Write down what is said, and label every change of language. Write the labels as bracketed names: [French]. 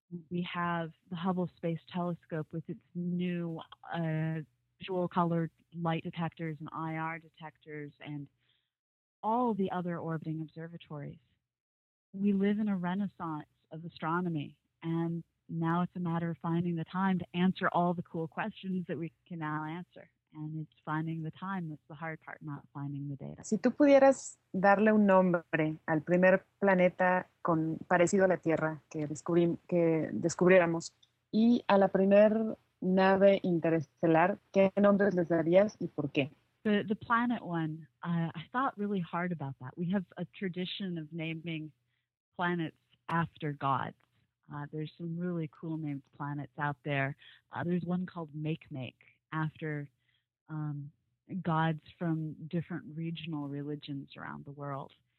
[English] We have the Hubble Space Telescope with its new visual colored light detectors and IR detectors and all the other orbiting observatories. We live in a renaissance of astronomy, and now it's a matter of finding the time to answer all the cool questions that we can now answer. And it's finding the time that's the hard part, not finding the data. [Spanish] Si tú pudieras darle un nombre al primer planeta con parecido a la Tierra que descubriéramos y a la primer nave interestelar, ¿qué nombres les darías y por qué? [English] The planet one, I thought really hard about that. We have a tradition of naming planets after gods. There's some really cool named planets out there. There's one called Makemake after gods from different regional religions around the world.